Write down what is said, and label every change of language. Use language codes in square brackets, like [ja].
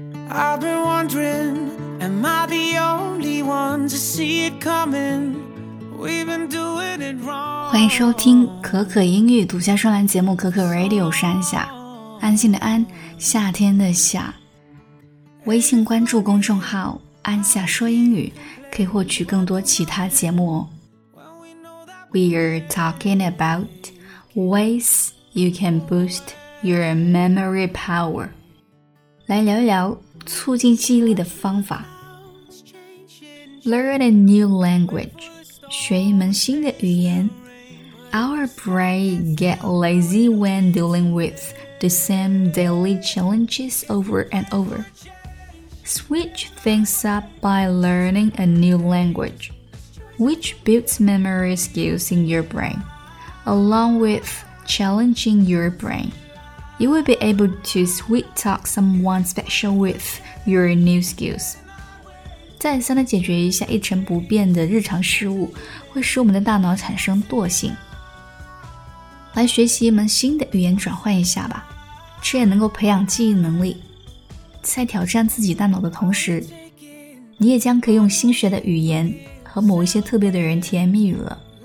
[en] I've been wondering, am I the only one to see it coming? We've been doing it wrong. [zh] 欢迎收听可可英语独家专栏节目可可 Radio 山下，安心的安，夏天的夏。微信关注公众号安夏说英语，可以获取更多其他节目哦。 [en] We're talking about ways you can boost your memory power. [zh] 来聊一聊促进记忆力的方法。 [en] Learn a new language. [zh] 学一门新的语言。 [en] Our brain get lazy when dealing with the same daily challenges over and over. Switch things up by learning a new language. Which builds memory skills in your brain, along with challenging your brain. You will be able to sweet talk someone special with your new skills. [zh] 再三地解决一下一成不变的日常事物，会使我们的大脑产生惰性。来学习一门新的语言转换一下吧，这也能够培养记忆能力。在挑战自己大脑的同时，你也将可以用新学的语言和某一些特别的人甜蜜了。